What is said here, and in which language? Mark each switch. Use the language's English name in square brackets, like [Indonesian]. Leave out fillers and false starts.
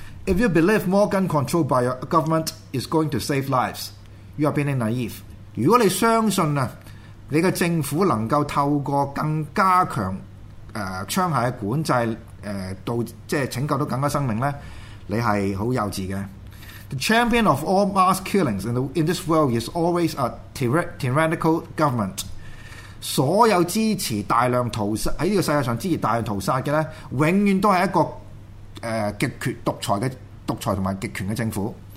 [English] If you believe more gun control by your government is going to save lives, you are being naive。 [Cantonese] 如果你相信啊，你嘅政府能夠透過更加強槍械嘅管制，到即係拯救到更加生命咧，你係好幼稚嘅。 [English] The champion of all mass killings in this world is always a tyrannical government。 [Cantonese] 所有支持大量屠殺喺呢個世界上支持大量屠殺嘅咧，永遠都係一個極權獨裁同埋極權嘅政府。